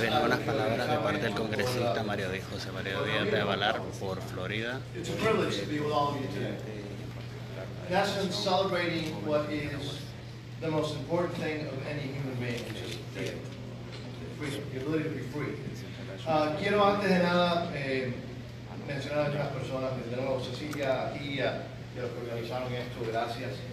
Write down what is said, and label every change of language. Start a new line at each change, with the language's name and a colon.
Spanish: Bien, unas palabras de parte del congresista Mario Díaz, José Mario Díaz de Valar por Florida.
English: It's a privilege to be with all of you today. Nation celebrating what is the most important thing of any human being, which is freedom, the ability to be free.
Spanish: Quiero antes de nada mencionar a otras personas, de nuevo Cecilia, a ti y a los que organizaron esto, gracias.